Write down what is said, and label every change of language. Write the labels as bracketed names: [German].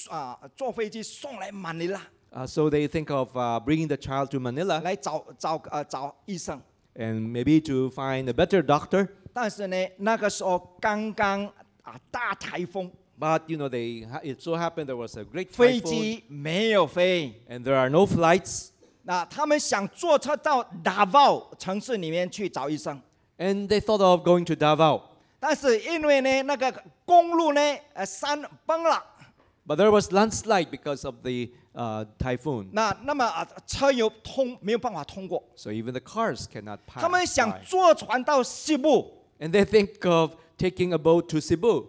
[Chinese] 所以他们就想把他小孩子坐飞机送来马尼拉。 [English] So they think of bringing the child to Manila. [Chinese] 来找医生。 [English] And maybe to find a better doctor. [Chinese] 但是呢，那个时候刚刚。大台风, [English] but you know, it so happened there was a great typhoon. [Chinese] 飞机没有飞, [English] and there are no flights. [Chinese] 那他们想坐车到 Davao 城市里面去找医生, [English] and they thought of going to Davao. [Chinese] 但是因为呢，那个公路呢，山崩了. [English] But there was landslide because of the typhoon. [Chinese] 那么车又没有办法通过. [English] So even the cars cannot pass. [Chinese] 他们想坐船到 Cebu, [English] and they think of taking a boat to Cebu.